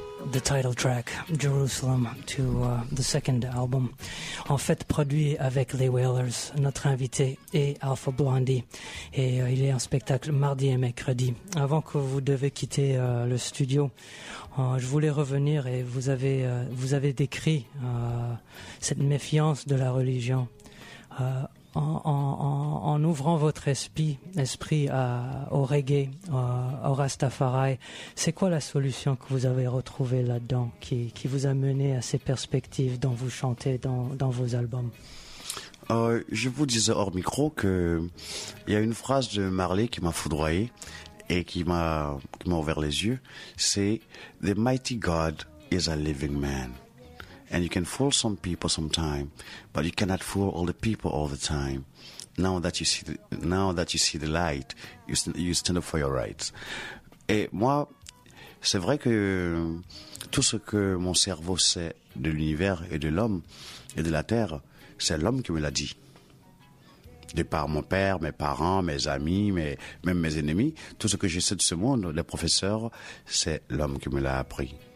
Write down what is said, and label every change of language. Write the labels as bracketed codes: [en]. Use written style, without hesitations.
[en] The title track, Jerusalem, to the second album. [fr] En fait, produit avec les Wailers, notre invité est Alpha Blondie. Et il est en spectacle mardi et mercredi. Avant que vous devez quitter le studio, je voulais revenir et vous avez décrit cette méfiance de la religion. En ouvrant votre esprit au reggae, au Rastafari, c'est quoi la solution que vous avez retrouvée là-dedans qui vous a mené à ces perspectives dont vous chantez dans vos albums? Je vous disais hors micro qu'il y a une phrase de Marley qui m'a foudroyé et qui m'a ouvert les yeux. C'est « [en] The mighty God is a living man ». And you can fool some people sometime, but you cannot fool all the people all the time. Now that you see the light, you stand up for your rights. [fr] Et moi, c'est vrai que tout ce que mon cerveau sait de l'univers et de l'homme et de la terre, c'est l'homme qui me l'a dit. De par mon père, mes parents, mes amis, même mes ennemis, tout ce que je sais de ce monde, les professeurs, c'est l'homme qui me l'a appris.